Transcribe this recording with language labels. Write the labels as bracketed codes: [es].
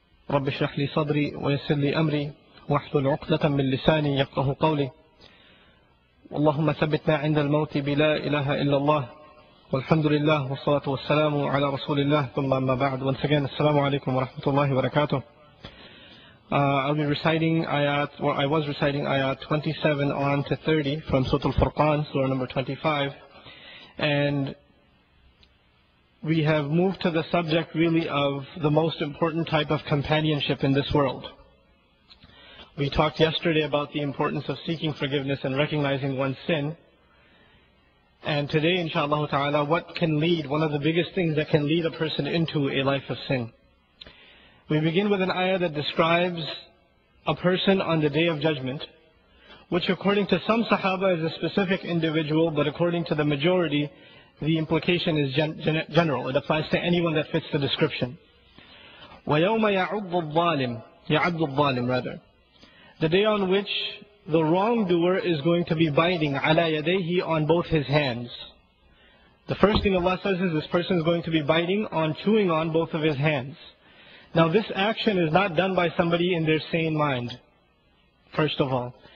[ar] رب اشرح لي صدري ويسر لي أمري واحلل عقدة من لساني يفقه قولي. اللهم ثبتنا عند الموت بلا إله إلا الله والحمد لله والصلاة والسلام على رسول الله. ثم أما بعد, [en] once again, [ar] السلام عليكم ورحمة الله وبركاته. [en] I'll be reciting ayat, or I was reciting ayat 27 on to 30 from Surah Al-Furqan, Surah number 25. And we have moved to the subject really of the most important type of companionship in this world. We talked yesterday about the importance of seeking forgiveness and recognizing one's sin. And today, inshallah ta'ala, what can lead, one of the biggest things that can lead a person into a life of sin. We begin with an ayah that describes a person on the Day of Judgment, which according to some sahaba is a specific individual, but according to the majority, the implication is general. It applies to anyone that fits the description. [ar] وَيَوْمَ يَعُضُّ الظَّالِمُ يَعُضُّ الظَّالِمُ [en] rather. The day on which the wrongdoer is going to be biting [ar] عَلَى يَدَيْهِ [en] on both his hands. The first thing Allah says is this person is going to be biting on, chewing on both of his hands. Now this action is not done by somebody in their sane mind, first of all.